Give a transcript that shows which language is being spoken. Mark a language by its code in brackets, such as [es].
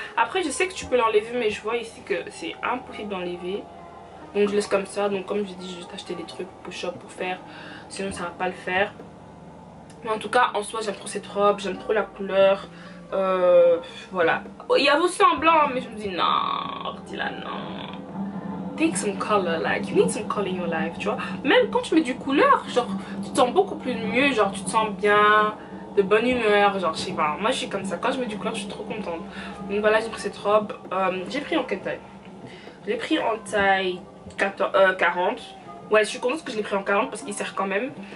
[fr] Après je sais que tu peux l'enlever mais je vois ici que c'est impossible d'enlever, donc je laisse comme ça. Donc comme je dis, juste acheter des trucs push-up pour faire, sinon ça va pas le faire. Mais en tout cas en soi j'aime trop cette robe, j'aime trop la couleur. Voilà, il y a aussi en blanc mais je me dis non, dis là non. [en] Take some color, like you need some color in your life, [fr] tu vois. Même quand tu mets du couleur, genre tu te sens beaucoup plus mieux, genre tu te sens bien, de bonne humeur, genre je sais pas. Moi je suis comme ça, quand je mets du couleur, je suis trop contente. Donc voilà, j'ai pris cette robe. J'ai pris en quelle taille? Je l'ai pris en taille 40. Ouais, je suis contente que je l'ai pris en 40 parce qu'il sert quand même.